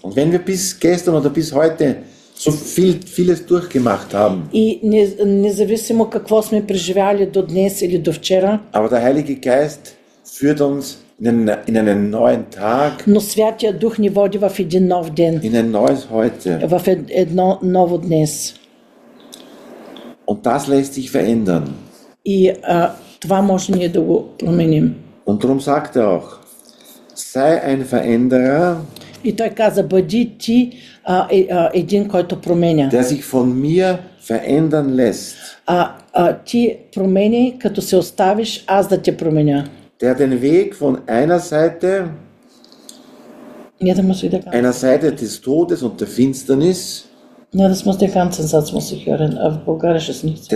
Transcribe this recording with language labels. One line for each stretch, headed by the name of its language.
German: Und wenn wir bis gestern oder bis heute so vieles durchgemacht haben.
Bulgarian: И независимо какво сме преживяли до днес или до вчера,
German: aber der Heilige Geist führt uns in einen neuen Tag,
Bulgarian: но Святия Дух ни води в един нов ден,
German: in ein neues heute.
Bulgarian: В едно ново днес.
German: Und das lässt sich verändern.
Bulgarian: И това може ние да го променим.
German: Und darum sagt er auch, sei ein Veränderer,
Bulgarian: и той каза, бъди ти един, който променя.
German: Der sich von mir verändern lässt.
Bulgarian: Ти промени, като се оставиш, аз да те променя.
German: Der den Weg von einer Seite, ja, das muss wieder einer Seite des Todes und der Finsternis, ja, das muss der ganze Satz muss ich hören, auf Bulgarisch ist nichts.